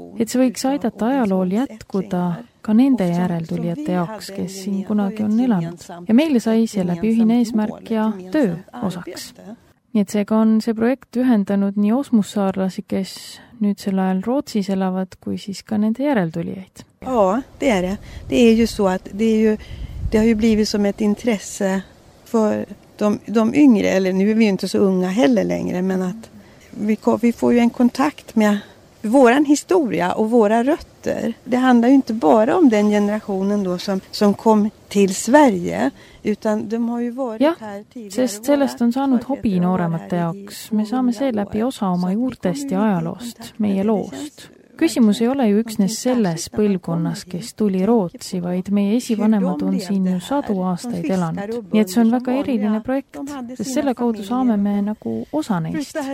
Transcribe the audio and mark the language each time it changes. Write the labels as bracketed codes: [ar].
[et] Et see võiks aidata ajalool jätkuda ka nende järeltulijate jaoks, kes siin kunagi on elanud. Ja meile sai see läbi ühine eesmärk ja töö osaks. Nii et seega on see projekt ühendanud nii osmussaarlasi, kes nüüd sel ajal Rootsis elavad, kui siis ka nende järeltulijaid. [sv] Jaa, see on ju blivit som et interesse för de yngre, eller nu är vi ju inte så unga heller längre, men att vi får ju en kontakt med våran historia och våra rötter. Det handlar ju inte bara om den generationen då som kom till Sverige, utan de har ju varit ja, här tidigare. [et] Sest sellest on saanud hobi nooremate jaoks. Me saame see läbi osa oma juurtest ja ajaloost, meie loost. Küsimus ei ole ju üksnes selles põlvkonnas, kes tuli Rootsi, vaid meie esivanemad on siin ju sadu aastaid elanud. Nii et see on väga eriline projekt, sest selle kaudu saame me nagu osa neist.